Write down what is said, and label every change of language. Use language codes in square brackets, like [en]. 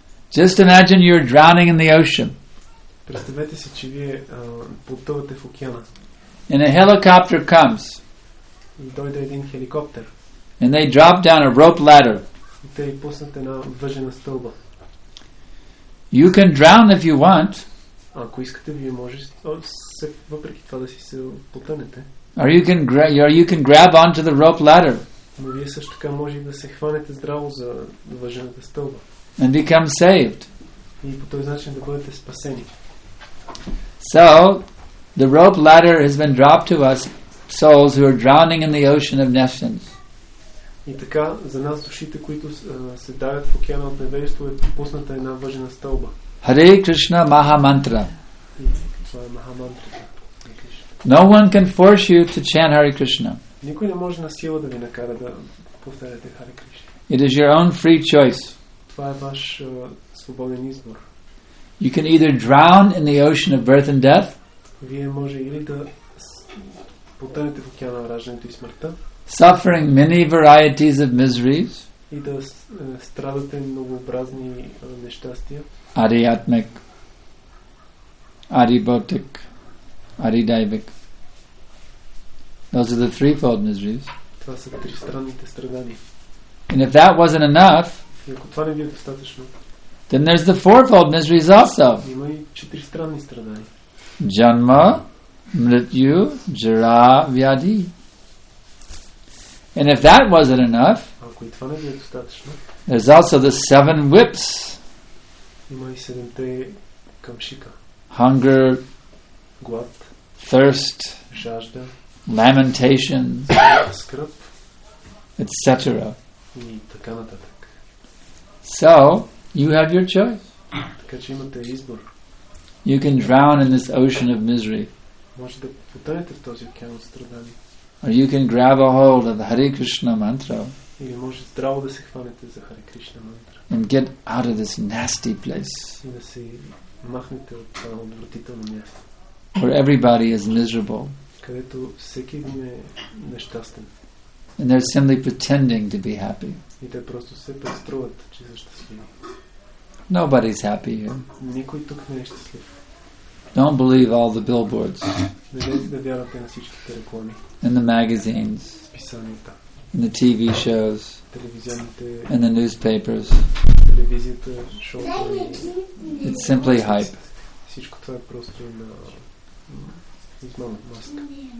[en] Just imagine you're drowning in the ocean. [bg] Представете си, че вие плутувате в океана. [en] And a helicopter comes. [bg] И дойде един хеликоптер. [en] And they drop down a rope ladder. [bg] И те пуснат една въжена стълба. [en] You can drown if you want. [bg] Ако искате, вие можете, въпреки това да си се потънете. [en] Or you can grab onto the rope ladder. [bg] Но вие също така може да се хванете здраво за въжената стълба. [en] And become saved. [bg] И по този начин да бъдете спасени. [en] So, the rope ladder has been dropped to us souls who are drowning in the ocean of nations. [bg] И така, за нас душите, които се давят в океана от невежество, е пусната една въжена стълба. [en] Hare Krishna Maha Mantra. [bg] Това е Маха Мантра. [en] No one can force you to chant Hare Krishna. [bg] Никой не може на сила да ви накара да повторяте Hare Krishna. [en] It is your own free choice. [bg] Това е ваш свободен избор. [en] You can either drown in the ocean of birth and death. [bg] Вие може или да потънете в океана на раждането и смъртта. [en] Suffering many varieties of miseries. [bg] И да страдате многообразни нещастия. Ариатмик, ариботик, аридайвик. [en] Those are the threefold miseries. [bg] Това са тристранните страдания. [en] And if that wasn't enough, [bg] и ако това не ви е достатъчно, [en] then there's the fourfold miseries also. [bg] Има и четиристранни страдания. [sa] Janma, Mrityu, Jara, Vyadi. [en] And if that wasn't enough, [bg] ако и това не ви е достатъчно, [en] there's also the seven whips. [bg] Има и седемте камшика. [en] Hunger, [bg] глад, [en] thirst, [bg] жажда, [en] lamentations, [bg] скръп, [en] etc. [bg] И така нататък. [en] So, you have your choice. [bg] Така че имате избор. [en] You can drown in this ocean of misery. [bg] Може да потънете в този океан от страдания. [en] Or you can grab a hold of the Hare Krishna mantra. [bg] Или може здраво да се хванете за Hare Krishna mantra. [en] And get out of this nasty place. [bg] И да се махнете от това отвратително място. [en] Where everybody is miserable. [bg] Където всеки един е нещастен. [en] And they're simply pretending to be happy. [bg] И те просто се преструват, че са щастливи. [en] Nobody's happy here. [bg] Никой тук не е щастлив. [en] Don't believe all the billboards. [bg] Не дейте да вярвате на всичките реклами. [en] And the magazines. [bg] Писанията. [en] And the TV shows. [bg] Телевизионните. [en] And the newspapers. [bg] Телевизията, шоуто. [en] It's simply hype. [bg] Всичко това е просто на измама, маска.